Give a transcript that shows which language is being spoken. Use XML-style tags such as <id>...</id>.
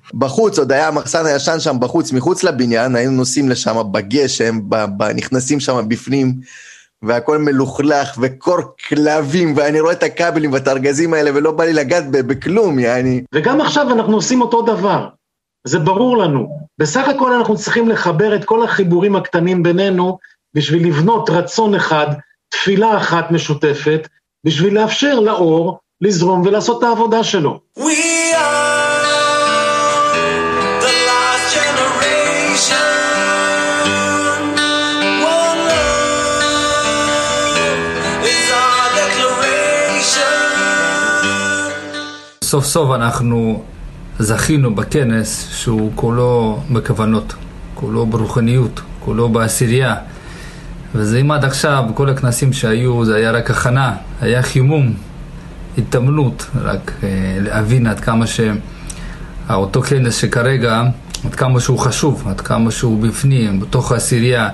<he>בחוץ, עוד היה המחסן הישן שם בחוץ, מחוץ לבניין, היינו נוסעים לשם בגשם, נכנסים שם בפנים, והכל מלוכלך וקור כלבים, ואני רואה את הקבלים ואת הארגזים האלה, ולא בא לי לגעת בכלום, יעני. וגם עכשיו אנחנו עושים אותו דבר. זה ברור לנו. בסך הכל אנחנו צריכים לחבר את כל החיבורים הקטנים בינינו, בשביל לבנות רצון אחד, תפילה אחת משותפת, בשביל לאפשר לאור לזרום ולעשות את העבודה שלו.</he> <en>We are the last generation. One love is our declaration.</en> <he>סוף סוף אנחנו זכינו בכנס שהוא כולו בכוונות, כולו ברוחניות, כולו בעשירייה. וזה אם עד עכשיו, כל הכנסים שהיו, זה היה רק הכנה, היה חימום, התאמנות, רק להבין עד כמה שאותו כנס שכרגע, עד כמה שהוא חשוב, עד כמה שהוא בפנים, בתוך העשירייה.</he>